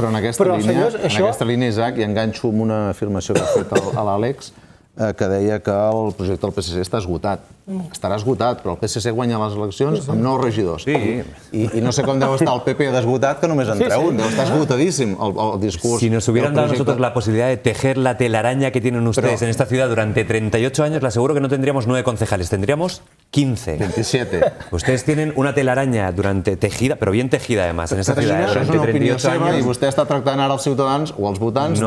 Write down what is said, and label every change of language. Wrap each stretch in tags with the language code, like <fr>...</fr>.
<ca>Però en aquesta línia, Isaac, i enganxo amb una afirmació que ha fet a l'Àlex, que deia que el projecte del PSC està esgotat. estarà esgotat, però el PSC guanya les eleccions amb 9 regidors. Sí. I no sé com deu estar el PP desgotat, que només en treu un. Deu estar esgotadíssim el discurs.</ca> <es>Si nos hubieran dado nosotros la posibilidad de tejer la telaraña que tienen ustedes en esta ciudad durante 38 años, le aseguro que no tendríamos 9 concejales, tendríamos 15. 27. Ustedes tienen una telaraña durante tejida, pero bien tejida además, en esta ciudad.</es> <ca>Això és una opinió seva i vostè està tractant ara els ciutadans o els votants de...</ca>